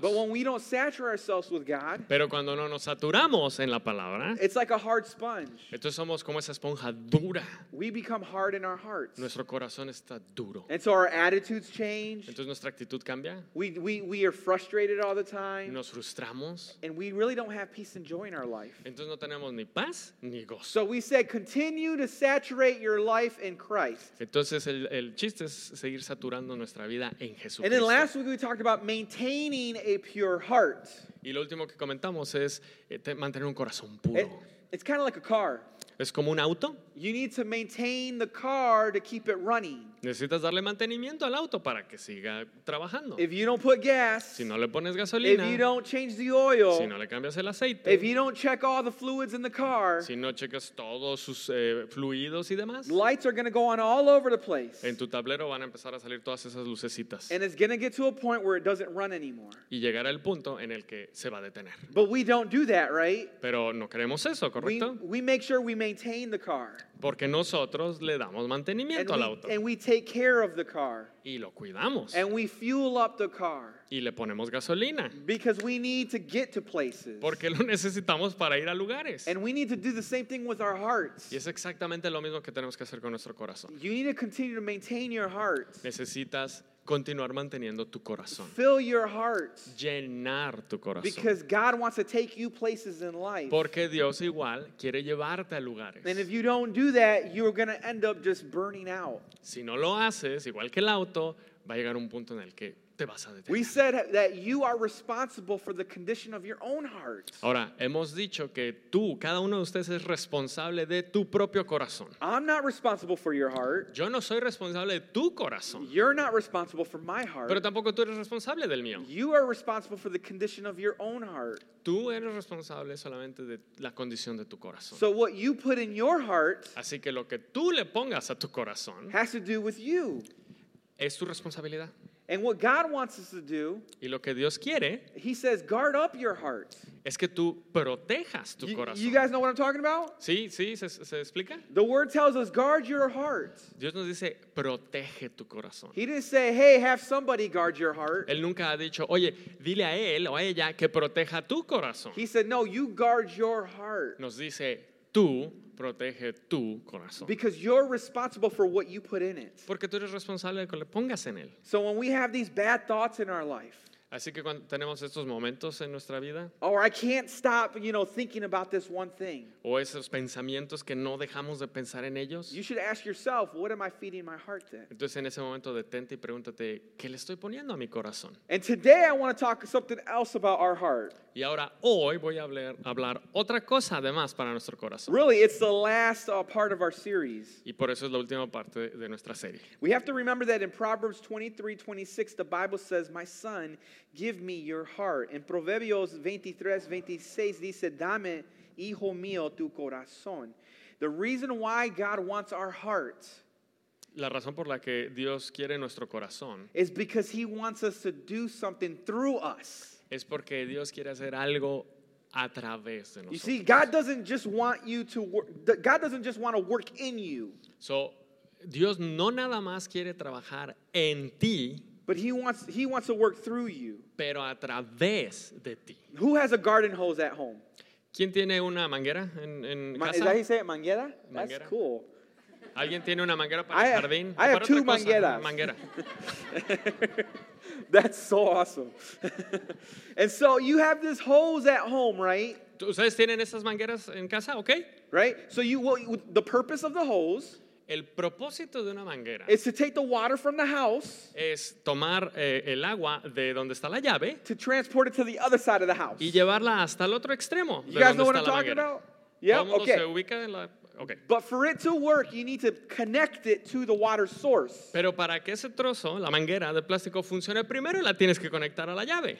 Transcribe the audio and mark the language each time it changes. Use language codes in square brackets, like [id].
[en] But when we don't saturate ourselves with God, [es] pero cuando no nos saturamos en la palabra, [en] it's like a hard sponge. [es] Entonces somos como esa esponja dura. [en] We become hard in our hearts. [es] Nuestro corazón está duro. [en] And so our attitudes change. [es] Entonces nuestra actitud cambia. [en] We are frustrated all the time. [es] Nos frustramos. [en] And we really don't have peace and joy in our life. [es] Entonces no tenemos ni paz ni gozo. [en] So we said continue to saturate your life in Christ. [es] Entonces el chiste es seguir saturando nuestra vida en Jesucristo. [en] And then last week we talked about maintaining a pure heart. [es] Y lo último que comentamos es mantener un corazón puro. [en] It's kind of like a car. [es] Es como un auto. [en] You need to maintain the car to keep it running. [es] Necesitas darle mantenimiento al auto para que siga trabajando. [en] If you don't put gas, [es] si no le pones gasolina, [en] if you don't change the oil, [es] si no le cambias el aceite, [en] if you don't check all the fluids in the car, [es] si no checas todos sus fluidos y demás, [en] lights are going to go on all over the place. [es] En tu tablero van a empezar a salir todas esas lucecitas. [en] And it's going to get to a point where it doesn't run anymore. [es] Y llegará el punto en el que se va a detener. [en] But we don't do that, right? [es] Pero no queremos eso, ¿correcto? [en] We make sure we maintain the car. [es] Porque nosotros le damos mantenimiento [en] and [es] al auto. [en] And we take care of the car. [es] Y lo cuidamos. [en] And we fuel up the car. [es] Y le ponemos gasolina. [en] Because we need to get to places. [es] Porque lo necesitamos para ir a lugares. [en] And we need to do the same thing with our hearts. [es] Y es exactamente lo mismo que tenemos que hacer con nuestro corazón. [en] You need to continue to maintain your heart. [es] Necesitas continuar manteniendo tu corazón. [en] Fill your heart. [es] Llenar tu corazón. [en] Because God wants to take you places in life. [es] Porque Dios igual quiere llevarte a lugares. [en] And if you don't do that, you're going to end up just burning out. [es] Si no lo haces, igual que el auto, va a llegar un punto en el que te vas a detener. [en] We said that you are responsible for the condition of your own heart. [es] Ahora, hemos dicho que tú, cada uno de ustedes es responsable de tu propio corazón. [en] I'm not responsible for your heart. [es] Yo no soy responsable de tu corazón. [en] You're not responsible for my heart. [es] Pero tampoco tú eres responsable del mío. [en] You are responsible for the condition of your own heart. [es] Tú eres responsable solamente de la condición de tu corazón. [en] So what you put in your heart, [es] así que lo que tú le pongas a tu corazón, [en] has to do with you. [es] Es tu responsabilidad. [en] And what God wants us to do, [es] y lo que Dios quiere, [en] he says, guard up your heart. [es] Es que tú protejas tu corazón. [en] You guys know what I'm talking about? [es] Sí, sí, ¿se explica? [en] The word tells us, guard your heart. [es] Dios nos dice, protege tu corazón. [en] He didn't say, hey, have somebody guard your heart. [es] Él nunca ha dicho, oye, dile a él o a ella que proteja tu corazón. [en] He said, no, you guard your heart. [es] Nos dice, tú protege tu corazón. [en] Because you're responsible for what you put in it. [es] Porque tú eres responsable de lo que le pongas en él. [en] So when we have these bad thoughts in our life, [es] así que cuando tenemos estos momentos en nuestra vida, [en] or I can't stop, you know, thinking about this one thing, [es] o esos pensamientos que no dejamos de pensar en ellos, [en] you should ask yourself, what am I feeding my heart then? [es] Entonces en ese momento detente y pregúntate, ¿qué le estoy poniendo a mi corazón? [en] And today I want to talk something else about our heart. [es] Y ahora hoy voy a hablar otra cosa además para nuestro corazón. [en] Really, it's the last part of our series. [es] Y por eso es la última parte de nuestra serie. [en] We have to remember that in Proverbs 23:26, the Bible says, my son, give me your heart. [es] En Proverbios 23:26 dice, dame, hijo mío, tu corazón. [en] The reason why God wants our heart, [es] la razón por la que Dios quiere nuestro corazón, [en] is because he wants us to do something through us. [es] Es porque Dios quiere hacer algo a través de nosotros. [en] You see, God doesn't just want you to work, God doesn't just want to work in you. [es] So, Dios no nada más quiere trabajar en ti. [en] But he wants to work through you. [es] Pero a través de ti. [en] Who has a garden hose at home? [es] ¿Quién tiene una manguera en casa? [en] Is that how you say it? Manguera? That's cool. [es] ¿Alguien tiene una manguera para el jardín? [en] I have two mangueras. [es] Manguera. [en] That's so awesome. And so you have this hose at home, right? [es] ¿Ustedes tienen esas mangueras en casa? Okay. [en] Right? So you will, the purpose of the hose, [es] el propósito de una manguera, [en] is to take the water from the house, [es] es tomar el agua de donde está la llave, [en] to transport it to the other side of the house, [es] y llevarla hasta el otro extremo. [en] You guys know what I'm talking about? [es] Yeah, okay. Se ubica en la, okay. [en] But for it to work, you need to connect it to the water source. [es] Pero para que ese trozo, la manguera de plástico, funcione, primero la tienes que conectar a la llave.